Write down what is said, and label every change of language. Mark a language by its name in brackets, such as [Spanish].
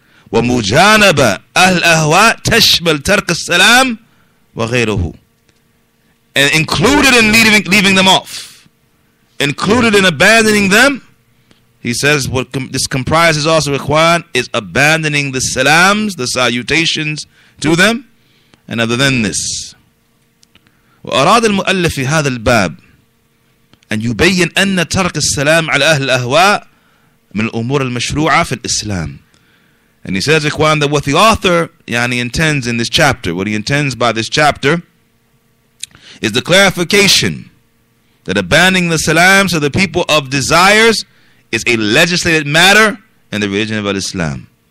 [Arabic] وَمُجَانَبَ أَهْلَهْوَا تَشْمَلْ تَرْكَ السَّلَامِ وَغَيْرُهُ. [English] And included in leaving them off, included in abandoning them, he says what this comprises also, Ikhwan, is abandoning the salams, the salutations to them, and other than this. [Arabic] وَأَرَادَ الْمُؤَلَّفِ فِي هَذَا الْبَابِ أَنْ يُبَيِّنْ أَنَّ تَرْكَ السَّلَامِ عَلَى أَهْلِ الْأَهْوَاءِ من الأمور المشروعة في الإسلام. [English] And he says, Ikhwan, that what the author, yani, intends in this chapter, what he intends by this chapter, is the clarification that abandoning the salams of the people of desires is a legislated matter in the religion of Al-Islam.